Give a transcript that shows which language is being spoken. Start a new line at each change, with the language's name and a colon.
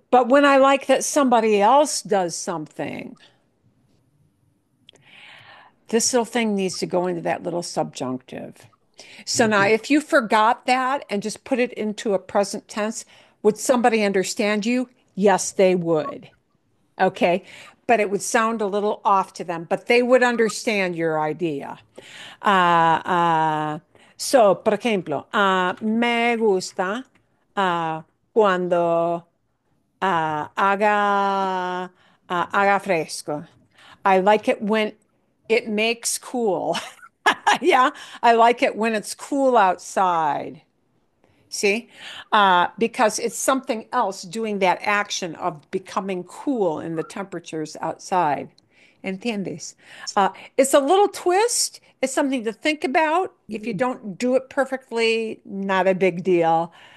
English: But when I like that somebody else does something, this little thing needs to go into that little subjunctive. So now, if you forgot that and just put it into a present tense, would somebody understand you? Yes, they would. Okay. But it would sound a little off to them, but they would understand your idea.
Spanish: So, por ejemplo, me gusta cuando haga fresco.
English: I like it when it makes cool. Yeah, I like it when it's cool outside. See? Because it's something else doing that action of becoming cool in the temperatures outside.
Spanish: ¿Entiendes?
English: It's a little twist. It's something to think about. If you don't do it perfectly, not a big deal.